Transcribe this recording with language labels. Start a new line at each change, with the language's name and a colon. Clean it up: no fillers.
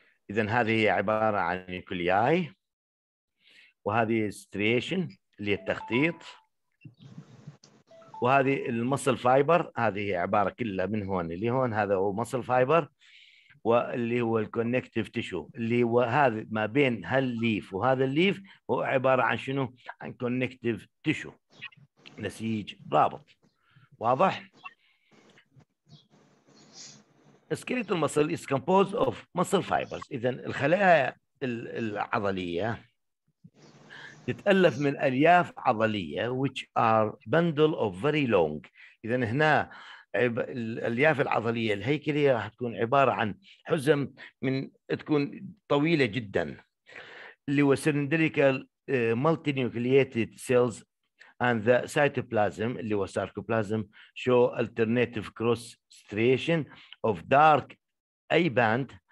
Arabic: إذا هذه عبارة عن نيوكلياي، وهذه ستريشن اللي هي التخطيط، وهذه المسل فايبر، هذه عبارة كلها من هون اللي هون، هذا هو مسل فايبر، واللي هو الكونكتيف تيشو اللي هو هذا ما بين هالليف وهذا الليف، هو عبارة عن شنو؟ عن كونكتيف تيشو، نسيج رابط. واضح؟
English: Skeletal muscle is composed of muscle fibers.
Arabic: إذن الخلايا العضلية تتألف من ألياف عضلية
English: which are bundle of very long.
Arabic: إذن هنا الألياف العضلية الهيكلية راح تكون عبارة عن حزم من تكون طويلة جدا اللي هو
English: cylindrical multinucleated cells and the cytoplasm
Arabic: اللي هو
English: sarcoplasm show alternative cross striation of dark
Arabic: اي باند.